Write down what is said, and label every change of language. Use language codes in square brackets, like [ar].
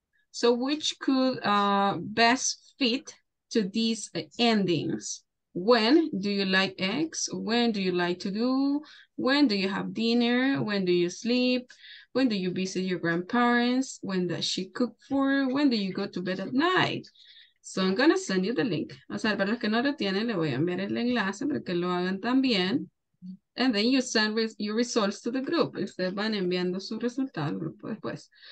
[en] So which could best fit to these endings? When do you like eggs? When do you like to do? When do you have dinner? When do you sleep? When do you visit your grandparents? When does she cook for? When do you go to bed at night? So I'm gonna send you the link. [es] O sea, para los que no lo tienen, le voy a enviar el enlace para que lo hagan también. [en] And then you send your results to the group. [es] Ustedes van enviando su resultado al grupo después.